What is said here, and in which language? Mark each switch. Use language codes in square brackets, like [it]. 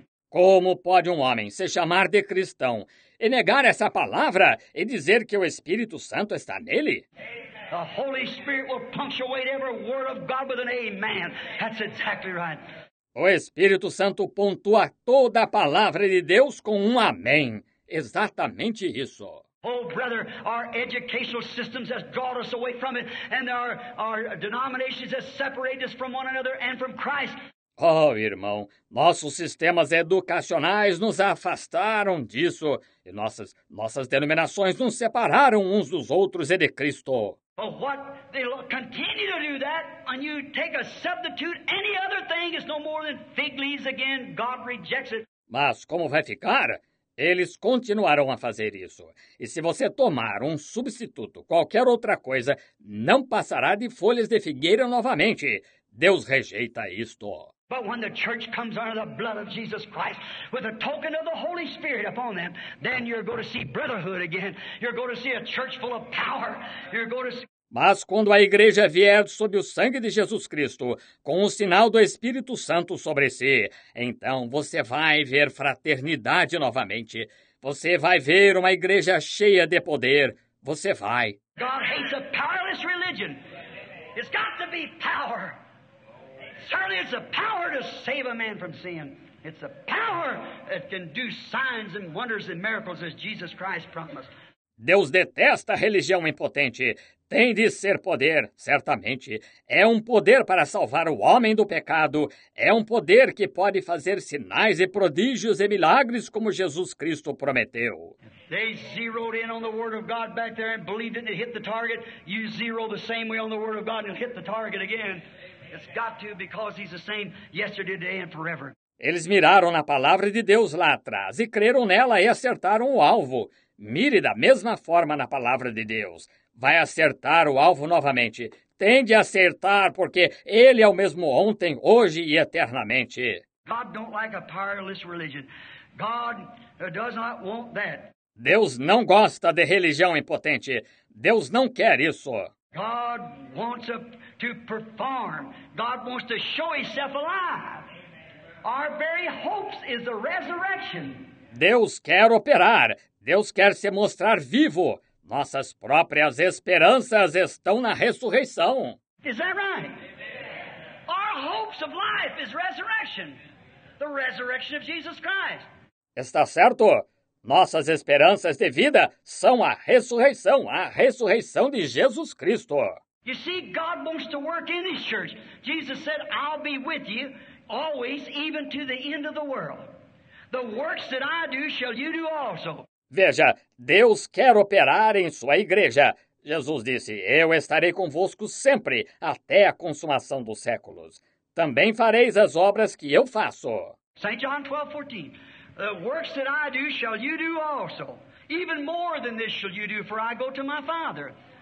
[pt] Como pode um homem se chamar de cristão e negar essa palavra e dizer que o Espírito Santo está nele? [en] The Holy Spirit will punctuate every word of God with an amen. That's exactly right. [pt] O Espírito Santo pontua toda a palavra de Deus com um amém. Exatamente isso. [en] Oh, brother, our educational systems have drawn us away from it, and our denominations have separated us from one another and from Christ. [pt] Oh, irmão, nossos sistemas educacionais nos afastaram disso, e nossas denominações nos separaram uns dos outros e de Cristo. [en] But what they'll continue to do that when you take a substitute, any other thing is no more than fig leaves again. God rejects it. [pt] Mas como vai ficar? Eles continuarão a fazer isso. E se você tomar um substituto, qualquer outra coisa, não passará de folhas de figueira novamente. Deus rejeita isto. [en] But when the church comes under the blood of Jesus Christ with a token of the Holy Spirit upon them, then you're going to see brotherhood again. You're going to see a church full of power. You're going to see... [pt] Mas quando a igreja vier sob o sangue de Jesus Cristo, com o sinal do Espírito Santo sobre si, então você vai ver fraternidade novamente. Você vai ver uma igreja cheia de poder. Você vai. [en] God hates a powerless religion. It's got to be power. Certainly it's a power to save a man from sin. It's a power that can do signs and wonders and miracles as Jesus Christ promised. [pt] Deus detesta a religião impotente. Tem de ser poder, certamente. É um poder para salvar o homem do pecado. É um poder que pode fazer sinais e prodígios e milagres como Jesus Cristo prometeu. [en] They zeroed in on the Word of God back there and believed it and it hit the target. You zero the same way on the Word of God and hit the target again. It's got to because He's the same yesterday, today and forever. [pt] Eles miraram na palavra de Deus lá atrás e creram nela e acertaram o alvo. Mire da mesma forma na palavra de Deus. Vai acertar o alvo novamente. Tem de acertar, porque Ele é o mesmo ontem, hoje e eternamente. [en] God don't like a powerless religion. God does not want that. [pt] Deus não gosta de religião impotente. Deus não quer isso. [en] God wants to perform. God wants to show Himself alive. Our very hopes is the resurrection. [pt] Deus quer operar. Deus quer se mostrar vivo. Nossas próprias esperanças estão na ressurreição. [en] Is that right? Our hopes of life is resurrection. The resurrection of Jesus Christ. [pt] Está certo? Nossas esperanças de vida são a ressurreição de Jesus Cristo. [en] You see, God wants to work in His church. Jesus said, I'll be with you always, even to the end of the world. The works that I do, shall you do also. [pt] Veja, Deus quer operar em sua igreja. Jesus disse, eu estarei convosco sempre, até a consumação dos séculos. Também fareis as obras que eu faço. [en] St. John 12:14. The works that I do, shall you do also. Even more than this shall you do, for I go to my Father.